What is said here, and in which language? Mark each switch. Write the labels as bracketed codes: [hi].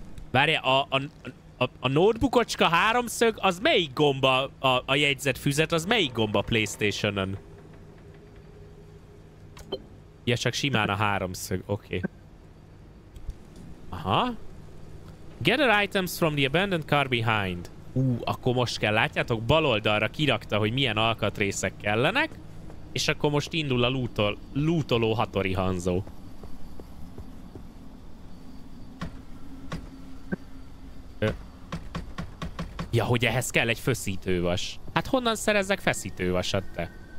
[hu] Várja, a notebookocska háromszög, az melyik gomba, a jegyzet füzet, az melyik gomba PlayStation-on? Ja, csak simán a háromszög, oké. [en] Okay. Aha. Gather items from the abandoned car behind. [hu] Akkor most kell, látjátok, bal oldalra kirakta, hogy milyen alkatrészek kellenek, és akkor most indul a lootoló Hattori Hanzo. Ja, hogy ehhez kell egy feszítővas. Hát honnan szerezzek feszítővasat, te?